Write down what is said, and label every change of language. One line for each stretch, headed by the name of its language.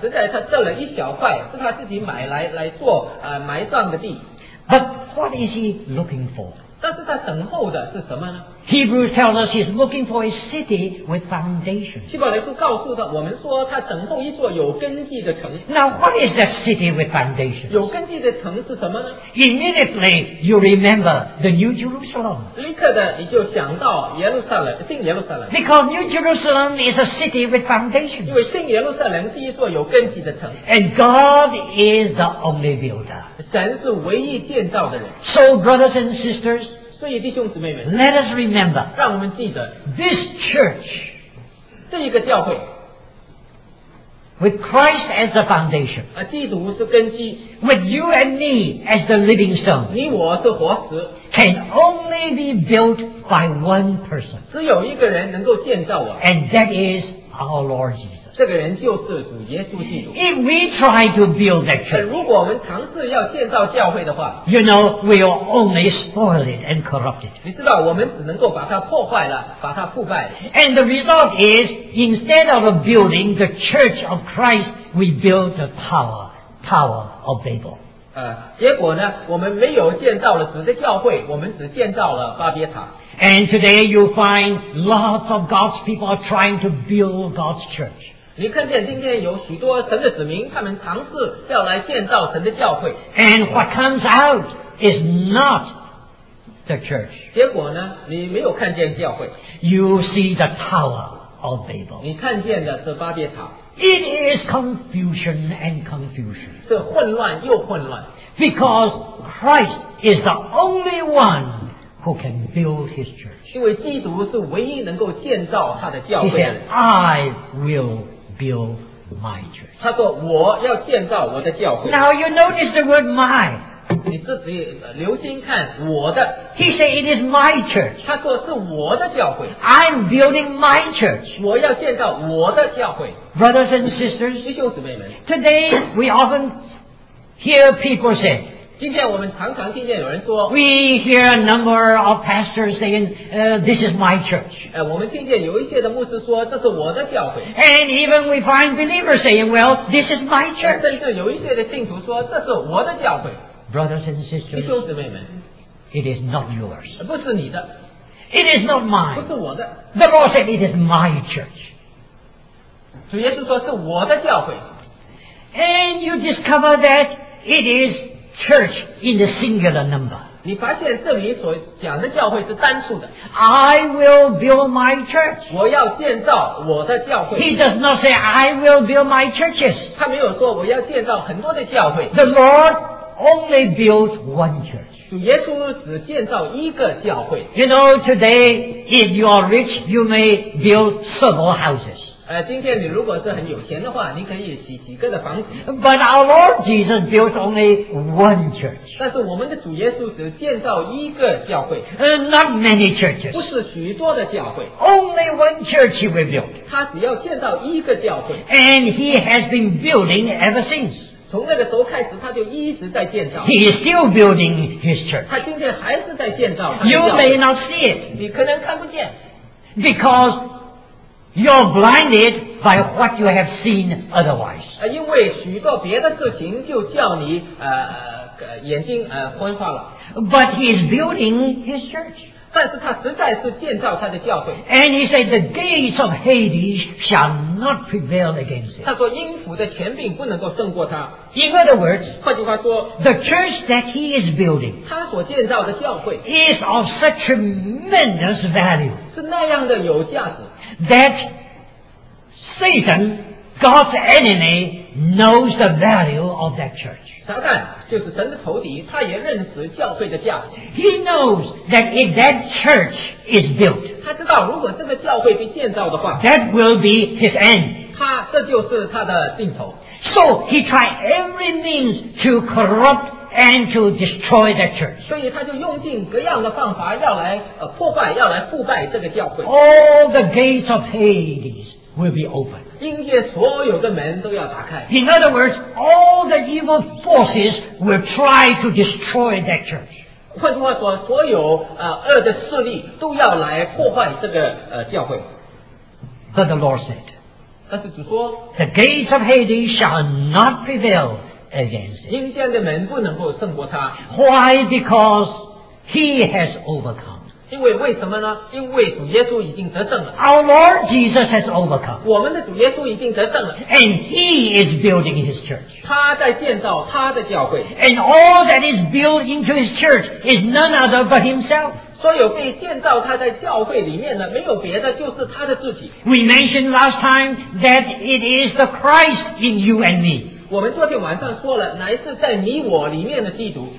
Chinese: 实在他得了一小块，是他自己买来做埋葬的地。
English: But what is he looking for?
Chinese: 但是他等候的是什么呢？
English: Hebrews tells us he's looking for a city with foundations.
Chinese: 希伯来书告诉他，我们说他等候一座有根基的城。
English: Now what is that city with foundations?
Chinese: 有根基的城是什么呢？
English: Immediately you remember the New Jerusalem.
Chinese: 立刻的你就想到耶路撒冷，新耶路撒冷。
English: Because New Jerusalem is a city with foundations.
Chinese: 因为新耶路撒冷是一座有根基的城。
English: And God is the only builder.
Chinese: 神是唯一建造的人。
English: So brothers and sisters,
Chinese: 所以弟兄姊妹们，
English: let us remember,
Chinese: 让我们记得，
English: this church,
Chinese: 这一个教会，
English: with Christ as the foundation,
Chinese: 基督是根基，
English: with you and me as the living stone,
Chinese: 你我是活石，
English: can only be built by one person,
Chinese: 只有一个人能够建造我，
English: and that is our Lord Jesus.
Chinese: 这个人就是主耶稣基督。
English: If we try to build that church,
Chinese: 如果我们尝试要建造教会的话，
English: you know, we will only spoil it and corrupt it.
Chinese: 你知道，我们只能够把它破坏了，把它腐败了。
English: And the result is, instead of building the church of Christ, we build the tower of Babel.
Chinese: 结果呢，我们没有建造了主的教会，我们只建造了巴别塔。
English: And today you find lots of God's people are trying to build God's church.
Chinese: 你看见今天有许多神的子民，他们尝试要来建造神的教会。
English: And what comes out is not the church.
Chinese: 结果呢，你没有看见教会。
English: You see the Tower of Babel.
Chinese: 你看见的是巴别塔。
English: It is confusion and confusion.
Chinese: 是混乱又混乱。
English: Because Christ is the only one who can build his church.
Chinese: 因为基督是唯一能够建造他的教会。
English: He said, I will build my church.
Chinese: 他说我要建造我的教会。
English: Now you notice the word my.
Chinese: 你自己留心看我的。
English: He said, it is my church.
Chinese: 他说是我的教会。
English: I'm building my church.
Chinese: 我要建造我的教会。
English: Brothers and sisters,
Chinese: 弟兄姊妹们。
English: Today, we often hear people say,
Chinese: 今天我们常常听见有人说
English: We hear a number of pastors saying, this is my church.
Chinese: 我们听见有一些的牧师说这是我的教会。
English: And even we find believers saying, well, this is my church.
Chinese: 甚至有一些的信徒说这是我的教会。
English: Brothers and sisters,
Chinese: 弟兄姊妹们
English: it is not yours.
Chinese: 不是你的。
English: It is not mine.
Chinese: 不是我的。
English: The Lord said, it is my church.
Chinese: 主耶稣说是我的教会。
English: And you discover that it isIs Church in the singular number.
Chinese: 你发现这里所讲的教会是单数的。
English: I will build my church.
Chinese: 我要建造我的教会。
English: He does not say I will build my churches.
Chinese: 他没有说我要建造很多的教会。
English: The Lord only builds one church.
Chinese: 主耶稣只建造一个教会。
English: You know, today, if you are rich, you may build several houses.
Chinese: 今天你如果是很有钱的话，你可以起几个的房子。
English: But our Lord Jesus built only one church.
Chinese: 但是我们的主耶稣只建造一个教会。
English: Not many churches.
Chinese: 不是许多的教会。
English: Only one church he rebuilt.
Chinese: 他只要建造一个教会。
English: And he has been building ever since.
Chinese: 从那个时候开始，他就一直在建造。
English: He is still building his church.
Chinese: 他今天还是在建造。
English: You may not see it.
Chinese: 你可能看不见。
English: Because. You're blinded by what you have seen otherwise.
Chinese: 因为许多别的事情就叫你眼睛昏花了。
English: But he is building his church.
Chinese: 但是他实在是建造他的教会。
English: And he said, the gates of Hades shall not prevail against it.
Chinese: 他说阴府的权柄不能够胜过他。
English: In other words,
Chinese: 换句话说,
English: the church that he is building,
Chinese: 他所建造的教会,
English: is of such tremendous value.
Chinese: 是那样的有价值。
English: That Satan, God's enemy, knows the value of that church.
Chinese: 撒旦就是神的仇敌，他也认识教会的价值。
English: He knows that if that church is built,
Chinese: 他知道如果这个教会被建造的话，
English: that will be his end.
Chinese: 他这就是他的尽头。
English: So he tried every means to corrupt and to destroy that church.
Chinese: 所以他就用尽各样的方法要来破坏，要来腐败这个教会。
English: All the gates of Hades will be open.
Chinese: 阴界所有的门都要打开。
English: In other words, all the evil forces will try to destroy that church.
Chinese: 换句话说，所有恶的势力都要来破坏这个教会。
English: But the Lord said,
Chinese: 但是主说,
English: the gates of Hades shall not prevail. Against it.
Chinese: 阴间的门不能够胜过他。
English: Why? Because he has overcome.
Chinese: 因为为什么呢？因为主耶稣已经得胜了。
English: Our Lord Jesus has overcome.
Chinese: 我们的主耶稣已经得胜了。
English: And he is building his church.
Chinese: 他在建造他的教会。
English: And all that is built into his church is none other but himself.
Chinese: 所有被建造他在教会里面的，没有别的，就是他的自己。
English: We mentioned last time that it is the Christ in you and me.
Chinese: 我们昨天晚上说了，乃是在你我里面的基督。